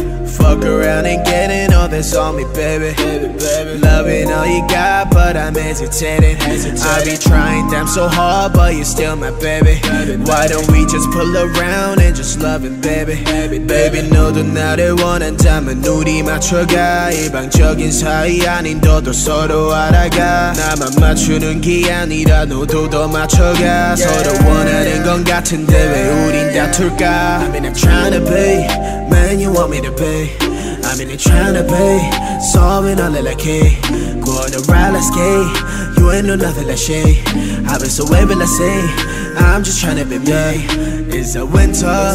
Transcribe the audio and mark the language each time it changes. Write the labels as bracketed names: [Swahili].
[English] Fuck around and getting all this on me, baby. Loving all you got, but I'm hesitating. I be trying damn so hard, but you're still my baby. Why don't we just pull around and just love it, baby? [Korean] Baby, 너도 나를 원한다면 눈이 맞춰가. 일방적인 사이 아닌 너도 서로 알아가. 나만 맞추는 게 아니라 너도 더 맞춰가. 서로 원하는 건 같은데 왜 우린 다툴까? [English] I mean, I'm trying to be man you want me to be. I mean, I'm trying to be solving all the key. Go on a ride, let's skate. You ain't no nothing like shade. I've been so wavy, let's say. I'm just trying to be me. It's a winter.